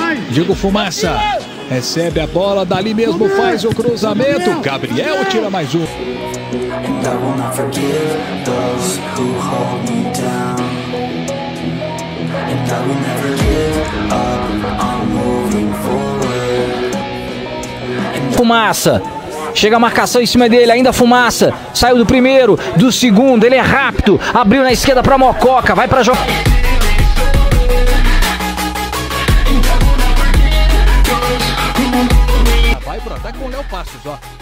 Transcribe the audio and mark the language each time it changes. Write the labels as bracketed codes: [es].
[pt] Diego Fumaça recebe a bola, dali mesmo faz o cruzamento. Gabriel tira mais um. [en] And I will not forgive those who hold me down. And I will never give up, I'm moving forward. [pt] Fumaça! Chega a marcação em cima dele, ainda Fumaça. Saiu do primeiro, do segundo, ele é rápido. Abriu na esquerda pra Mococa, vai pra jogar. Vai pro ataque com o Léo Passos, ó.